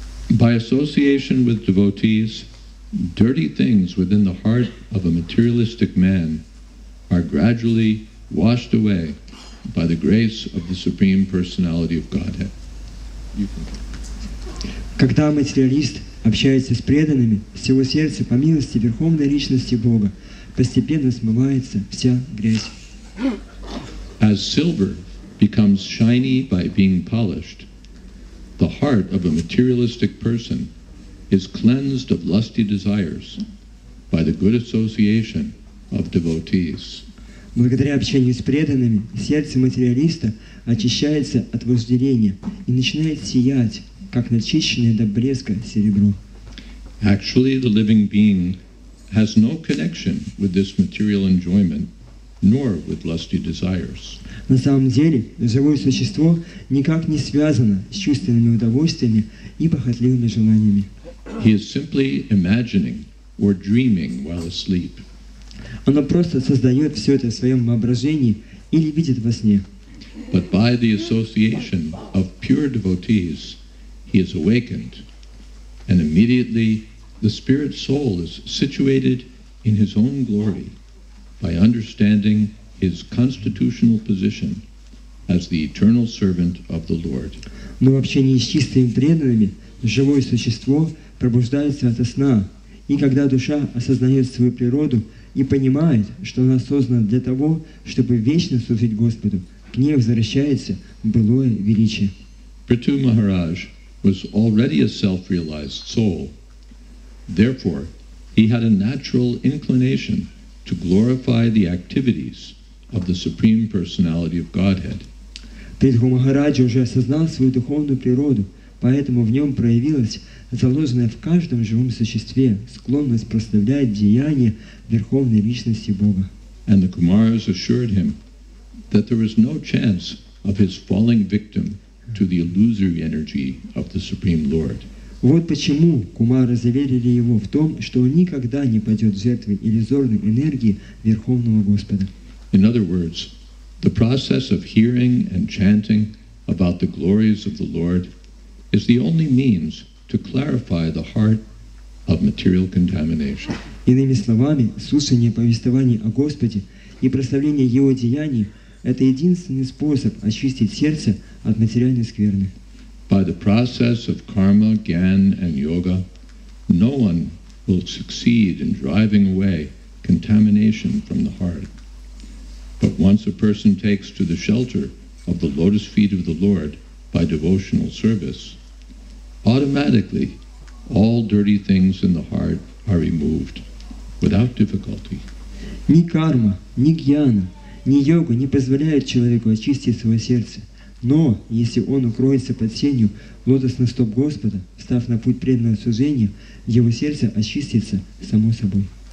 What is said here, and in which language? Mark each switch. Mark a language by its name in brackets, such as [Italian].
[English] By association with devotees, dirty things within the heart of a materialistic man are gradually washed away by the grace of the Supreme Personality of Godhead. [Russian] Когда материалист общается с преданными, с его сердца по милости Верховной Личности Бога постепенно смывается вся грязь. [English] As silver becomes shiny by being polished, the heart of a materialistic person is cleansed of lusty desires by the good association of devotees. [Russian] Благодаря общению с преданными, сердце материалиста очищается от вожделения и начинает сиять, как начищенное до блеска серебро. [English] Actually, the living being has no connection with this material enjoyment, nor with lusty desires. [Russian] На самом деле, живое существо никак не связано с чувственными удовольствиями и похотливыми желаниями. [English] He is simply imagining or dreaming while asleep. [Russian] Оно просто создает все это в своем воображении или видит во сне. [English] But by the association of pure devotees, he is awakened, and immediately the spirit soul is situated in his own glory by understanding his constitutional position as the eternal servant of the Lord. [Russian] Но в общении с чистыми преданными живое существо пробуждается ото сна, и когда душа осознает свою природу, и понимает, что она создана для того, чтобы вечно служить Господу, к ней возвращается былое величие. [English] Прету Махарадж was already a self-realized soul. Therefore, he had a natural inclination to glorify the activities of the Supreme Personality of Godhead. [Russian] Притху Махараджа уже осознал свою духовную природу, поэтому в нем проявилась заложенная в каждом живом существе склонность прославлять деяния Верховной Личности Бога. [English] And the Kumaras assured him that there was no chance of his falling victim to the illusory energy of the Supreme Lord. [Russian] Вот почему Кумары заверили его в том, что он никогда не падет жертвой иллюзорной энергии Верховного Господа. [English] In other words, the process of hearing and chanting about the glories of the Lord is the only means to clarify the heart of material contamination. [Russian] Иными словами, слушание повествований о Господе и прославление Его деяний – это единственный способ очистить сердце от материальной скверны. [English] By the process of karma, gyan, and yoga, no one will succeed in driving away contamination from the heart. But once a person takes to the shelter of the lotus feet of the Lord by devotional service, automatically all dirty things in the heart are removed without difficulty. [Russian] Ни карма, ни гьяна, ни йога не позволяют человеку очистить свое сердце. Но если он укроется под сенью лотосных стоп Господа, став на путь преданного служения, его сердце очистится само собой.